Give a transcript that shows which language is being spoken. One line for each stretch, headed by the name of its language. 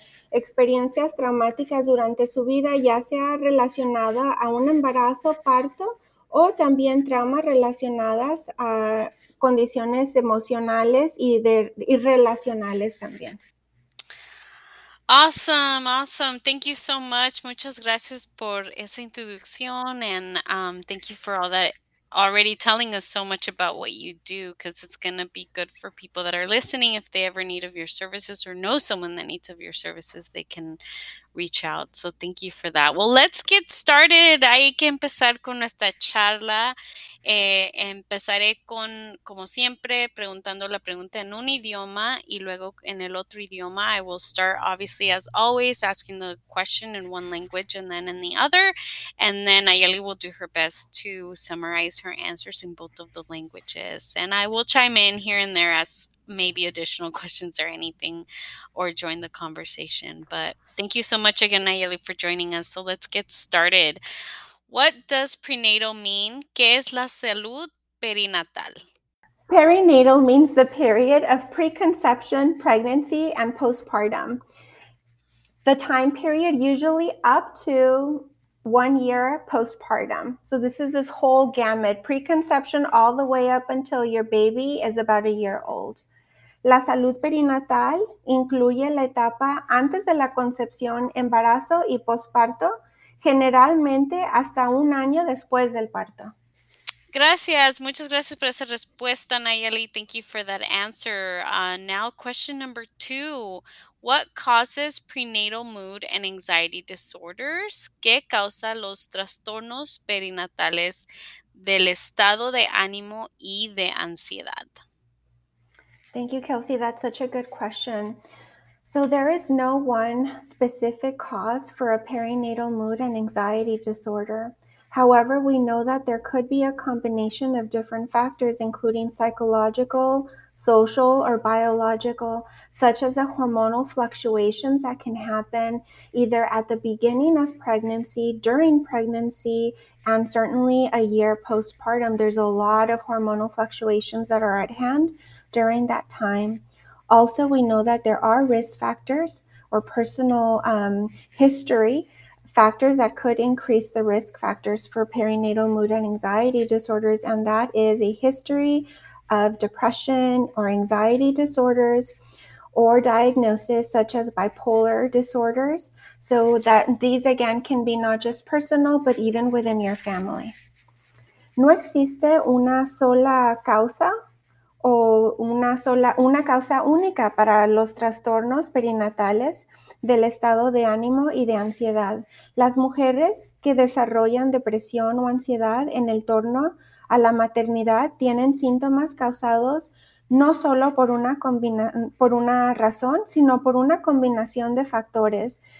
Spanish: experiencias traumáticas durante su vida, ya sea relacionada a un embarazo, parto, o también traumas relacionadas a condiciones emocionales y relacionales también.
English: Awesome, awesome. Thank you so much.
Spanish: Muchas gracias por esa introducción,
English: and thank you for all that already telling us so much about what you do, because it's going to be good for people that are listening. If they ever need of your services or know someone that needs of your services, they can reach out. So thank you for that. Well, let's get started.
Spanish: Hay que empezar con nuestra charla. Empezaré con, como siempre, preguntando la pregunta en un idioma y luego en el otro idioma.
English: I will start, obviously, as always, asking the question in one language and then in the other. And then Ayeli will do her best to summarize her answers in both of the languages. And I will chime in here and there as maybe additional questions or anything, or join the conversation. But thank you so much again, Ayeli, for joining us. So let's get started. What does prenatal mean?
Spanish: ¿Qué es la salud perinatal?
English: Perinatal means the period of preconception, pregnancy, and postpartum. The time period usually up to 1 year postpartum. So this is this whole gamut, preconception all the way up until your baby is about a year old.
Spanish: La salud perinatal incluye la etapa antes de la concepción, embarazo y posparto, generalmente hasta un año después del parto. Gracias. Muchas gracias por esa respuesta, Nayeli.
English: Thank you for that answer. Now, question number two. What causes prenatal mood and anxiety disorders?
Spanish: ¿Qué causa los trastornos perinatales del estado de ánimo y de ansiedad?
English: Thank you, Kelsey. That's such a good question. So there is no one specific cause for a perinatal mood and anxiety disorder. However, we know that there could be a combination of different factors, including psychological, social, or biological, such as the hormonal fluctuations that can happen either at the beginning of pregnancy, during pregnancy, and certainly a year postpartum. There's a lot of hormonal fluctuations that are at hand during that time. Also, we know that there are risk factors or personal history factors that could increase the risk factors for perinatal mood and anxiety disorders, and that is a history of depression or anxiety disorders or diagnosis such as bipolar disorders. So that these again can be not just personal, but even within your family.
Spanish: No existe una sola causa o una causa única para los trastornos perinatales del estado de ánimo y de ansiedad. Las mujeres que desarrollan depresión o ansiedad en el torno a la maternidad tienen síntomas causados no solo por una razón, sino por una combinación de factores.